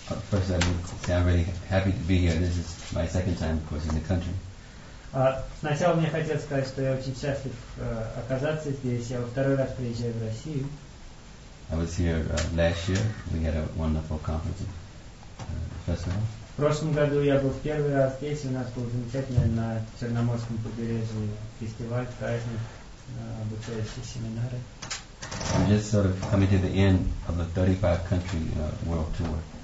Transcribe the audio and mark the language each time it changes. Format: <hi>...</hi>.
<en>First, I'm really happy to be here. This is my second time, of course, in the country.</en> <ru>Сначала мне хотелось сказать, что я очень счастлив оказаться здесь. Я во второй раз приезжаю в Россию.</ru> <en>I was here last year. We had a wonderful conference festival.</en> <ru>В прошлом году я был в первый раз здесь, и у нас был замечательный на Черноморском побережье фестиваль, праздник, обучающие семинары.</ru> <en>I'm just sort of coming to the end of the 35 country world tour.</en>